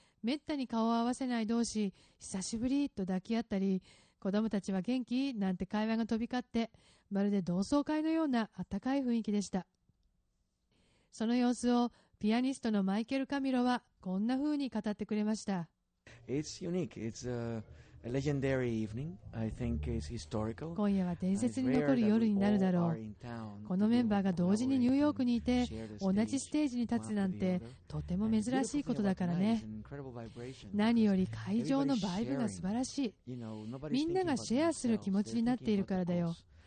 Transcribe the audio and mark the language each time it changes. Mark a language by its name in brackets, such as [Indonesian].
[Japanese] めったに顔を合わせない同士、久しぶりと抱き合ったり、子供たちは元気なんて会話が飛び交って、まるで同窓会のような温かい雰囲気でした。その様子をピアニストのマイケル・カミロはこんな風に語ってくれました。 [English] It's unique. It's a legendary evening. I think it's historical. [Japanese] 今夜は伝説に残る夜になるだろう。このメンバーが同時にニューヨークにいて同じステージに立つなんてとても珍しいことだからね。何より会場のバイブが素晴らしい。みんながシェアする気持ちになっているからだよ。